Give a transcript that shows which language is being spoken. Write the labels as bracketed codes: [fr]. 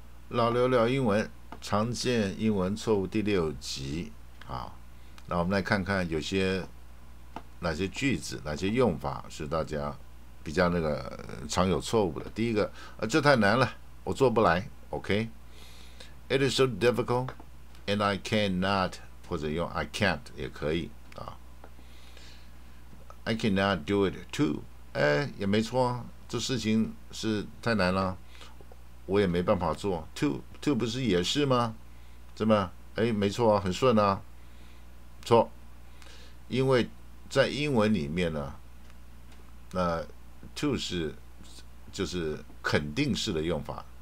[zh] 老刘聊英文，常见英文错误第六集。好，那我们来看看有些哪些句子，哪些用法是大家比较那个常有错误的。第一个，这太难了，我做不来。 [en] OK， It is so difficult, and I cannot， [zh] 或者用 [en] I can't [zh] 也可以啊。 [en] I cannot do it too， [zh] 哎，也没错，这事情是太难了。我也没办法做 ，too 不是也是吗？怎么？哎，没错啊，很顺啊。错，因为在英文里面呢，那 too 是就是肯定式的用法。